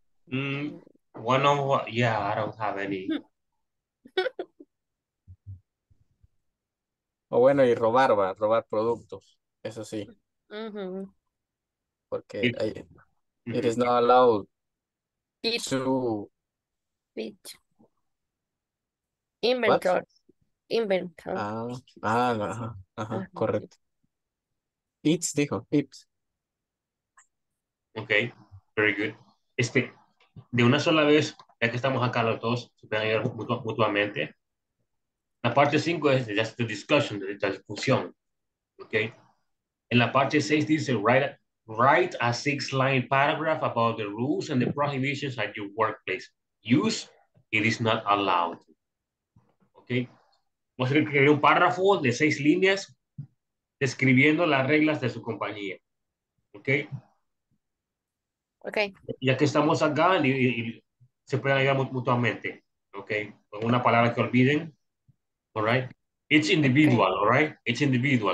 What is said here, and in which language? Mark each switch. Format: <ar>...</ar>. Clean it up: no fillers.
<en>One on one, yeah, I don't have any.</en> <es>Oh, bueno, y robar, va, robar productos, eso sí. Mm-hmm. Porque</es> <en>it is not allowed to... Inventory. What? Inventor.</en> <es>Ajá, correcto. It's dijo, it's.</es> <en>Ok, very good.</en> <es>Este, de una sola vez, ya que estamos acá los dos, se pueden ayudar mutuamente. La parte 5 es</es> <en>just the discussion,</en> <es>de la discusión. Ok. En la parte 6 dice,</es> <en>write a 6-line paragraph about the rules and the prohibitions at your workplace. Use, it is not allowed. Ok.</en> <es>Vamos a escribir un párrafo de 6 líneas describiendo las reglas de su compañía. ¿Ok? Ok. Ya que estamos acá, y se pueden ayudar mutuamente.</es> <en>¿Ok?</en> <es>Con una palabra que olviden.</es> <en>¿All right? It's individual, okay. All right? It's individual.</en>